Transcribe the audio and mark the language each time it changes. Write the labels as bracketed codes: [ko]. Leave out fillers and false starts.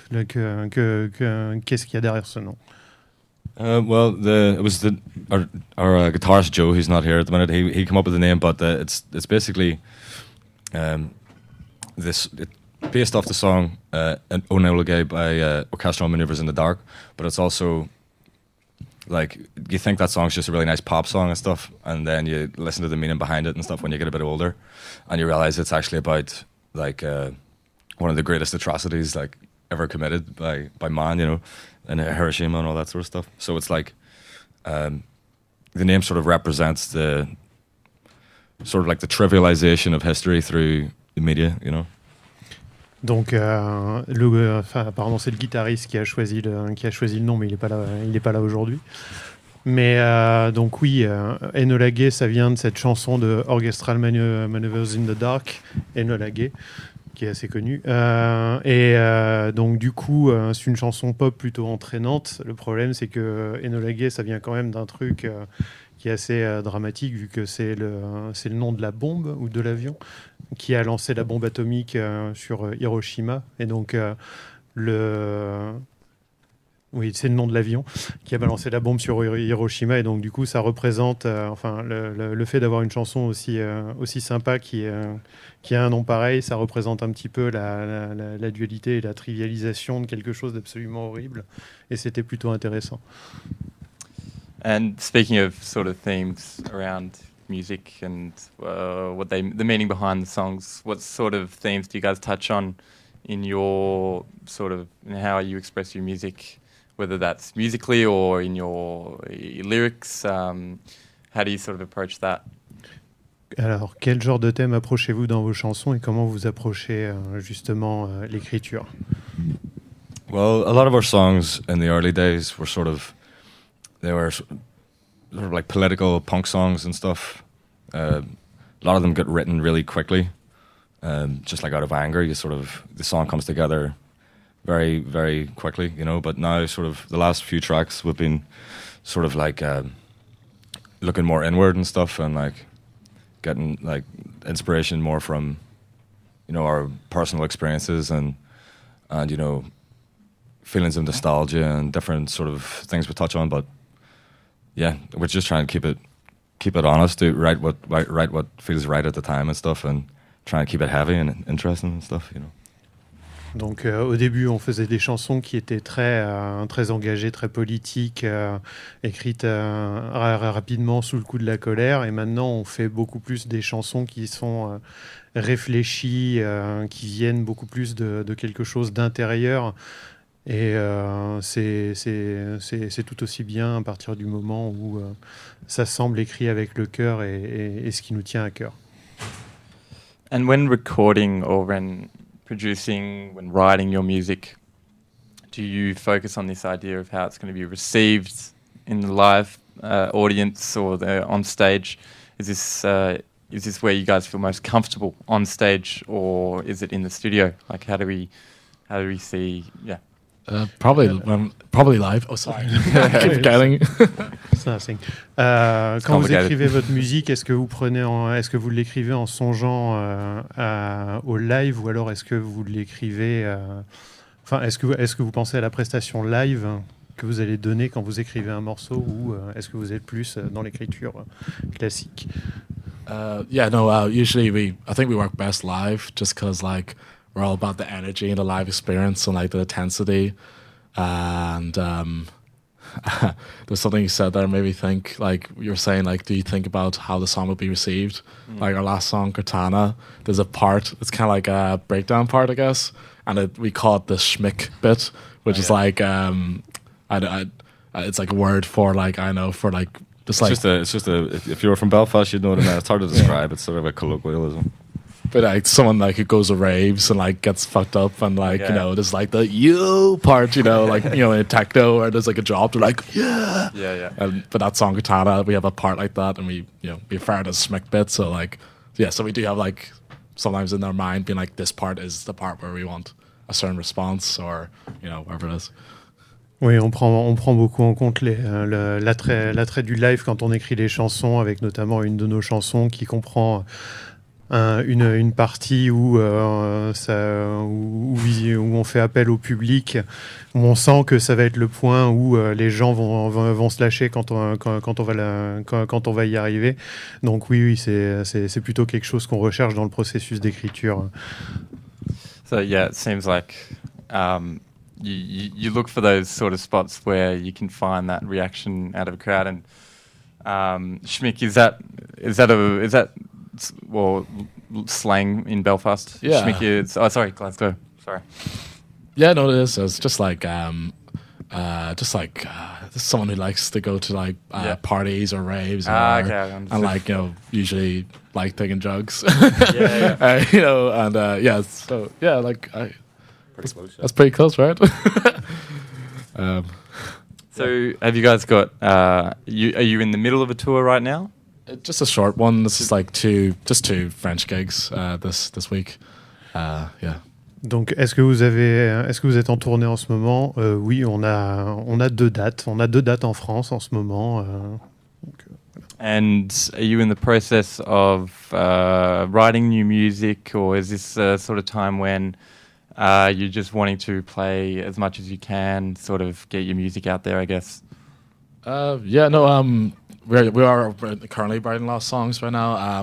[fr] Qu'est-ce qu'il y a derrière ce nom? [en] Our guitarist Joe, who's not here at the minute, he came up with the name, but it's basically based off the song Enola Gay by Orchestral Maneuvers in the Dark, but it's also like you think that song's just a really nice pop song and stuff, and then you listen to the meaning behind it and stuff when you get a bit older, and you realize it's actually about like one of the greatest atrocities like ever committed by man, you know, in Hiroshima and all that sort of stuff. So it's like the name sort of represents the sort of like the trivialization of history through the media, you know. [fr] Donc, c'est le guitariste qui a choisi le nom, mais il n'est pas là aujourd'hui. Mais donc oui, Enola Gay, ça vient de cette chanson de Orchestral Maneuvers in the Dark, Enola Gay, qui est assez connue. Et donc du coup, c'est une chanson pop plutôt entraînante. Le problème, c'est que Enola Gay, ça vient quand même d'un truc qui est assez dramatique, vu que c'est le nom de la bombe ou de l'avion qui a lancé la bombe atomique sur Hiroshima. Et donc, c'est le nom de l'avion qui a balancé la bombe sur Hiroshima. Et donc, du coup, ça représente le fait d'avoir une chanson aussi sympa qui a un nom pareil. Ça représente un petit peu la dualité et la trivialisation de quelque chose d'absolument horrible. Et c'était plutôt intéressant. [en] And speaking of sort of themes around music and the meaning behind the songs, what sort of themes do you guys touch on in your sort of, in how you express your music, whether that's musically or in your lyrics? How do you sort of approach that? [fr] Alors, quel genre de thème approchez-vous dans vos chansons et comment vous approchez justement l'écriture? [en] Well, a lot of our songs in the early days were sort of, they were sort of like political punk songs and stuff. A lot of them get written really quickly, just like out of anger. The song comes together very, very quickly, you know. But now, sort of the last few tracks, we've been sort of like looking more inward and stuff, and like getting like inspiration more from, you know, our personal experiences and you know, feelings of nostalgia and different sort of things we touch on, but. Yeah, we're just trying to keep it honest, to write what feels right at the time and stuff, and try and keep it heavy and interesting and stuff, you know. [fr] Donc au début, on faisait des chansons qui étaient très, très engagées, très politiques, écrites rapidement sous le coup de la colère. Et maintenant, on fait beaucoup plus des chansons qui sont réfléchies, qui viennent beaucoup plus de quelque chose d'intérieur. Et c'est tout aussi bien à partir du moment où ça semble écrit avec le cœur et ce qui nous tient à cœur. [en] And when recording or when producing, when writing your music, do you focus on this idea of how it's going to be received in the live audience or the on stage? Is this where you guys feel most comfortable, on stage or is it in the studio? Like how do we see? Yeah. Probably live. Oh, sorry. Keep going. [fr] C'est un signe. Quand vous écrivez votre musique, est-ce que vous l'écrivez en songeant au live ou alors est-ce que vous l'écrivez... est-ce que vous pensez à la prestation live que vous allez donner quand vous écrivez un morceau ou est-ce que vous êtes plus dans l'écriture classique? [en] Usually I think we work best live just because like... We're all about the energy and the live experience and like the intensity. And there's something you said there made me think, like you're saying, like, do you think about how the song will be received? Mm. Like our last song, Cortana, there's a part, it's kind of like a breakdown part, I guess. And we call it the schmick bit, which is like, it's like a word for like, I know, for like, just like. It's just if you were from Belfast, you'd know what I mean. It's hard to describe. Yeah. It's sort of a colloquialism. But like someone like who goes to raves and like gets fucked up and like you know there's like the you part you know like you know in a techno or there's like a drop they're like yeah and for that song Katana we have a part like that and we you know we refer to smick bit so like yeah so we do have like sometimes in our mind being like this part is the part where we want a certain response or you know whatever it is. [fr] Oui, on prend beaucoup en compte l'attrait du live quand on écrit les chansons avec notamment une de nos chansons qui comprend. Une partie où on fait appel au public, où on sent que ça va être le point où les gens vont se lâcher quand on va y arriver. Donc oui, c'est plutôt quelque chose qu'on recherche dans le processus d'écriture. [en] So yeah, it seems like you look for those sort of spots where you can find that reaction out of a crowd. And Schmick, is that well, slang in Belfast. Yeah. Schmicky, sorry, Glasgow. Sorry. Yeah, no, it is. It's just someone who likes to go to like parties or raves. And like, you know, usually like taking drugs. Yeah. You know, and so yeah, like, that's pretty close, right? Have you guys got, are you in the middle of a tour right now? Just a short one. This is like two French gigs this week. Yeah. [fr] Donc, est-ce que vous êtes en tournée en ce moment? Oui, on a deux dates. On a deux dates en France en ce moment. [en] And are you in the process of writing new music, or is this a sort of time when you're just wanting to play as much as you can, sort of get your music out there? I guess. We are currently writing a lot of songs right now.